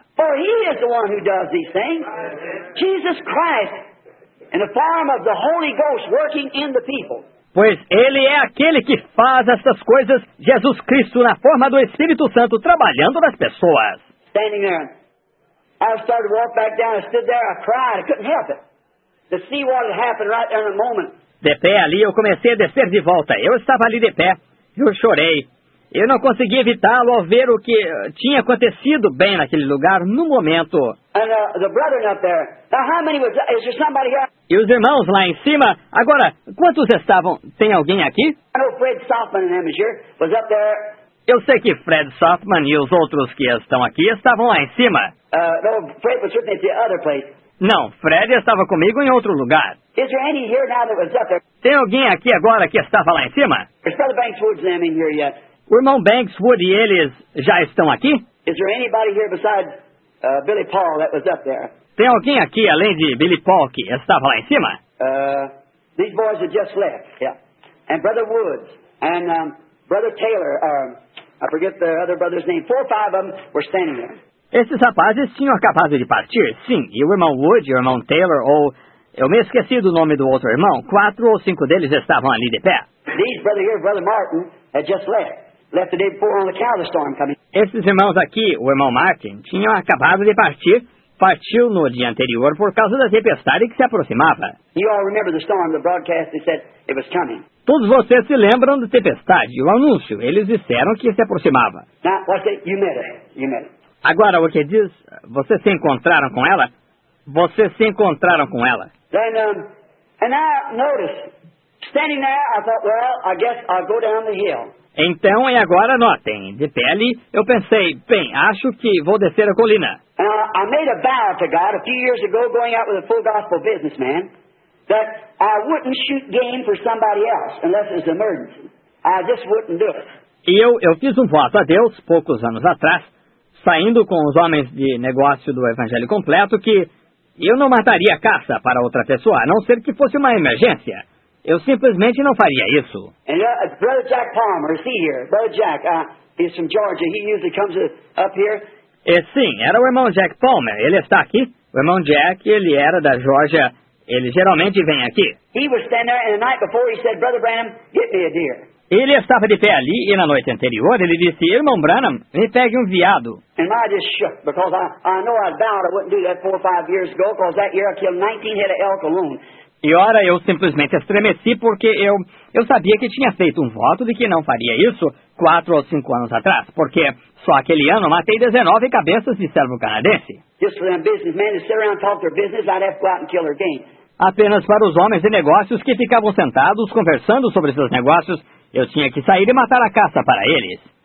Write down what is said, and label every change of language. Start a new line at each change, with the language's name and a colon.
English: For he is the one who does these things. Jesus Christ, in the form of the Holy Ghost working in the people.
Portuguese: Pois ele é aquele que faz essas coisas, Jesus Cristo, na forma do Espírito Santo, trabalhando nas pessoas.
English: Standing there. I started to walk back down. I stood there. I cried. I couldn't help it. To see what had happened right there in the moment.
Portuguese: De pé ali, eu comecei a descer de volta. Eu estava ali de pé. Eu chorei. Eu não consegui evitá-lo ao ver o que tinha acontecido bem naquele lugar, no momento.
English: And the brother up there. Now, how many was that? Is there somebody here?
Portuguese: E os irmãos lá em cima. Agora, quantos estavam? Tem alguém aqui?
English: I know Fred Softman and Amager was up there.
Portuguese: Eu sei que Fred Softman e os outros que estão aqui estavam lá em cima.
English: No, Fred was with me at the other place.
Portuguese: Não, Fred estava comigo em outro lugar.
English: Is there any here now that was up there?
Portuguese: Tem alguém aqui agora que estava lá em cima?
English: Is Brother Banks Wood in here yet?
Portuguese: O irmão Banks Wood e eles já estão aqui?
English: Is there anybody here besides Billy Paul that was up there?
Portuguese: Tem alguém aqui além de Billy Paul que estava lá em cima?
English: These boys have just left, yeah. And Brother Woods and Brother Taylor, I forget the other brother's name. Four or five of them were standing there.
Portuguese: Esses rapazes tinham acabado de partir, sim. E o irmão Wood, o irmão Taylor, ou... Eu me esqueci do nome do outro irmão. Quatro ou cinco deles estavam ali de pé.
English: These brother here, brother Martin, had just left the day before on the cattle storm coming.
Portuguese: Esses irmãos aqui, o irmão Martin, tinham acabado de partir. Partiu no dia anterior por causa da tempestade que se aproximava.
English: You all remember the storm, the broadcast, they said it was coming.
Portuguese: Todos vocês se lembram da tempestade, o anúncio. Eles disseram que se aproximava.
English: Now, what's that? You met her. You met her.
Portuguese: Agora, o que diz? Vocês se encontraram com ela? Vocês se encontraram com ela.
English: Then, and I noticed, standing there, I thought, well, I guess I'll go down the hill.
Portuguese: Então, e agora, notem, de pé ali, eu pensei, bem, acho que vou descer a colina.
English: I made a vow to God a few years ago, going out with a full gospel businessman, that I wouldn't shoot game for somebody else, unless it was an emergency. I just wouldn't do it.
Portuguese: E eu fiz voto a Deus, poucos anos atrás, saindo com os homens de negócio do Evangelho Completo, que eu não mataria caça para outra pessoa, a não ser que fosse uma emergência. Eu simplesmente não faria isso.
English: And Brother Jack Palmer, is he here? Brother Jack, he's from Georgia. He usually comes up here.
Portuguese: E sim, era o irmão Jack Palmer. Ele está aqui. O irmão Jack, ele era da Georgia. Ele geralmente vem aqui.
English: He was standing there, and the night before he said, Brother Branham, get me a deer.
Portuguese: Ele estava de pé ali, e na noite anterior, ele disse, Irmão Branham, me pegue um veado.
English: And I just shook, because I know I vowed I wouldn't do that four or five years ago, because that year I killed 19 head of elk alone.
Portuguese: E ora, eu simplesmente estremeci, porque eu sabia que tinha feito voto de que não faria isso quatro ou cinco anos atrás, porque só aquele ano matei 19 cabeças de servo canadense.
English: Just for them businessmen to sit around and talk their business, I'd have to go out and kill their game.
Portuguese: Apenas para os homens de negócios que ficavam sentados conversando sobre seus negócios, eu tinha que sair e matar a caça para eles.